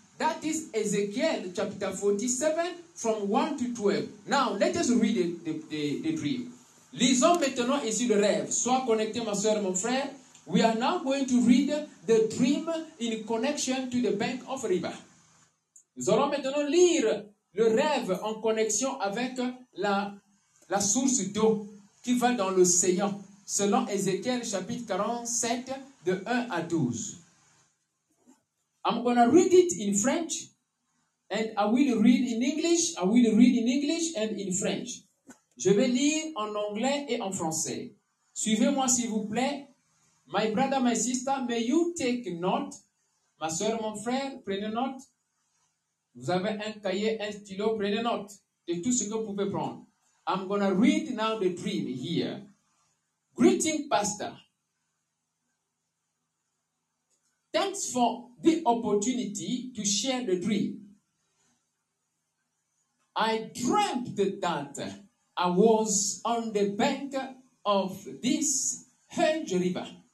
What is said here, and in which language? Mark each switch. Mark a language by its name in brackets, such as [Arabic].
[English] That is Ezekiel chapter 47 from 1 to 12. Now, let us read the dream. [French] Lisons maintenant ici le rêve. Sois connecté, ma soeur, mon frère. [English] We are now going to read the dream in connection to the bank of river. [French] Nous allons maintenant lire le rêve en connexion avec la source d'eau qui va dans l'océan. Selon Ezekiel chapitre 47 de 1 à 12. [English] I'm going to read it in French, and I will read in English, I will read in English and in French. [French] Je vais lire en anglais et en français. Suivez-moi s'il vous plaît. [English] My brother, my sister, may you take note. [French] Ma soeur, mon frère, prenez note. Vous avez un cahier, un stylo, prenez note de tout ce que vous pouvez prendre. [English] I'm going to read now the dream here. Greeting, Pastor. Thanks for the opportunity to share the dream. I dreamt that I was on the bank of this huge river.